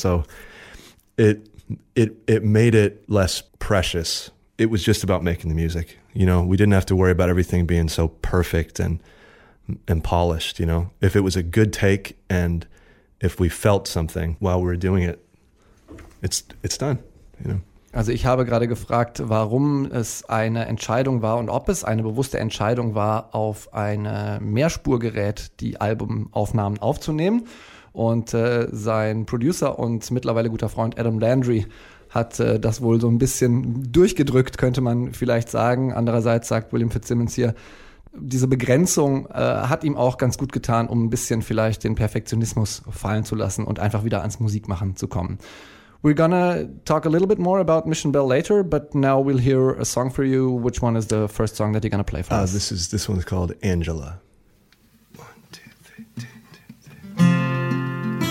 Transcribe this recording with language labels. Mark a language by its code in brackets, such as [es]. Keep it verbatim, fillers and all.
[en] So it it it made it less precious. It was just about making the music. You know, we didn't have to worry about everything being so perfect and and polished, you know. If it was a good take and if we felt something while we were doing it, it's it's done, you know. [de] Also ich habe gerade gefragt, warum es eine Entscheidung war und ob es eine bewusste Entscheidung war, auf ein Mehrspurgerät die Albumaufnahmen aufzunehmen. Und äh, sein Producer und mittlerweile guter Freund Adam Landry hat äh, das wohl so ein bisschen durchgedrückt, könnte man vielleicht sagen. Andererseits sagt William Fitzsimmons hier, diese Begrenzung äh, hat ihm auch ganz gut getan, um ein bisschen vielleicht den Perfektionismus fallen zu lassen und einfach wieder ans Musikmachen zu kommen. [en] We're gonna talk a little bit more about Mission Bell later, but now we'll hear a song for you. Which one is the first song that you're gonna play for uh, us? This is this one's called Angela. One, two, three, two, two, three.